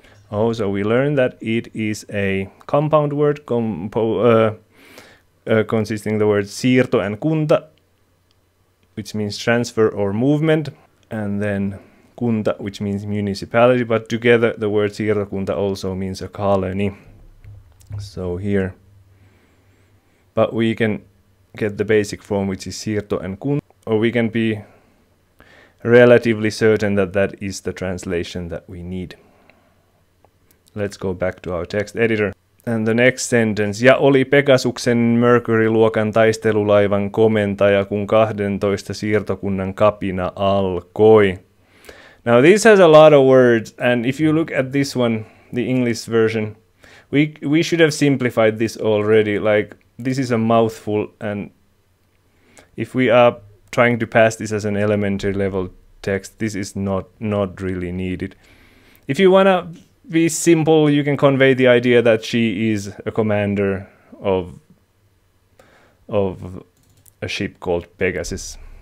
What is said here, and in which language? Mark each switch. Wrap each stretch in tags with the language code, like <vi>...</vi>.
<en>Oh, so we learned that it is a compound word consisting the words siirto and kunta, which means transfer or movement, and then kunta, which means municipality, but together the word siirtokunta also means a colony. So here, but we can get the basic form, which is siirto and kunta, or we can be relatively certain that that is the translation that we need. Let's go back to our text editor. And the next sentence.</en> <fi>Ja oli Pegasuksen Mercury-luokan taistelulaivan komentaja, kun 12 siirtokunnan kapina alkoi.</fi> <en>Now this has a lot of words, and if you look at this one, the English version, we should have simplified this already. Like, this is a mouthful, and if we are trying to pass this as an elementary level text. This is not really needed. If you want to be simple, you can convey the idea that she is a commander of a ship called Pegasus.</en>